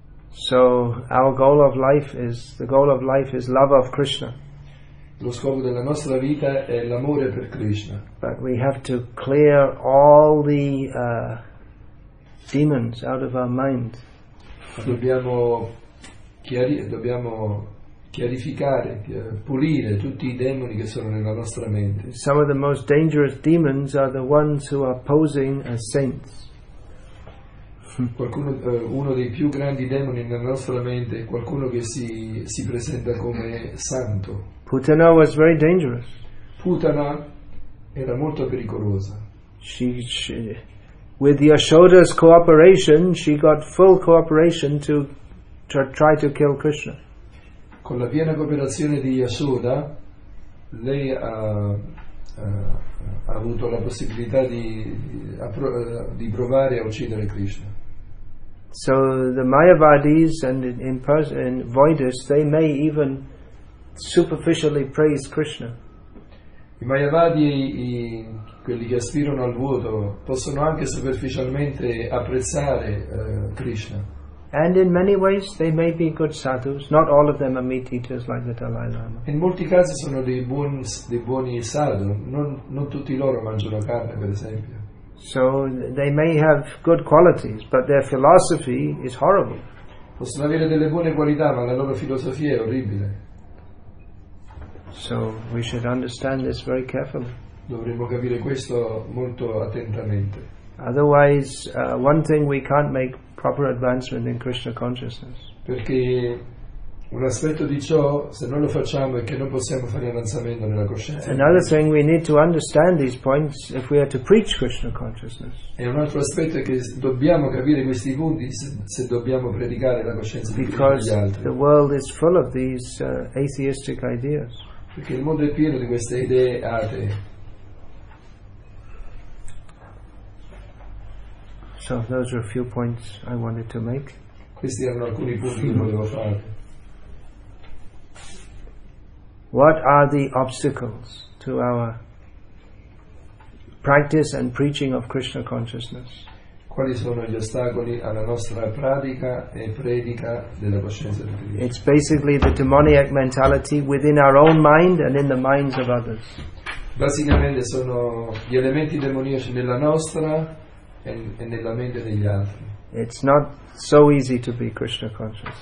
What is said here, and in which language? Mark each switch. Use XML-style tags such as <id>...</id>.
<en>So our goal of life is, the goal of life is love of Krishna.</en> <it>Lo scopo della nostra vita è l'amore per Krishna.</it> <en>But we have to clear all the demons out of our mind.</en> <it>Dobbiamo chiarificare, pulire tutti i demoni che sono nella nostra mente.</it> <en>Some of the most dangerous demons are the ones who are posing as saints.</en> <it>Uno dei più grandi demoni nella nostra mente è qualcuno che si presenta come santo.</it> <en>Putana was very dangerous.</en> <it>Putana era molto pericolosa.</it> <en>She, with Yashoda's cooperation, she got full cooperation to try to kill Krishna.</en> <it>Con la piena cooperazione di Yashoda, lei ha avuto la possibilità di provare a uccidere Krishna.</it> <en>So the Mayavadis and voidists, they may even superficially praise Krishna.</en> <it>I Mayavadi, quelli che aspirano al vuoto, possono anche superficialmente apprezzare Krishna.</it> <en>And in many ways they may be good sadhus, not all of them are meat eaters like the Dalai Lama.</en> <it>In molti casi sono dei buoni sadhu, non tutti loro mangiano carne, per esempio.</it> <en>So they may have good qualities, but their philosophy is horrible.</en> <it>possono avere delle buone qualità, ma la loro filosofia è orribile.</it> <en>So we should understand this very carefully.</en> <it>Dovremmo capire questo molto attentamente.</it> <en>Otherwise, one thing, we can't make proper advancement in Krishna consciousness.</en> <it>Perché un aspetto di ciò, se non lo facciamo, è che non possiamo fare avanzamento nella coscienza.</it> <en>Another thing, we need to understand these points if we are to preach Krishna consciousness.</en> <it>E un altro aspetto è che dobbiamo capire questi punti se dobbiamo predicare la coscienza di Krishna.</it> <en>Because the world is full of these atheistic ideas.</en> <it>Perché il mondo è pieno di queste idee atee.</it> <en>So those are a few points I wanted to make.</en> <it>Questi erano alcuni punti che volevo fare.</it> <en>What are the obstacles to our practice and preaching of Krishna consciousness?</en> <it>Quali sono gli ostacoli alla nostra pratica e predica della coscienza di Krishna?</it> <en>It's basically the demoniac mentality within our own mind and in the minds of others.</en> <it>Basicamente sono gli elementi demoniaci nella nostra e nella mente degli altri.</it> <en>It's not so easy to be Krishna conscious.</en>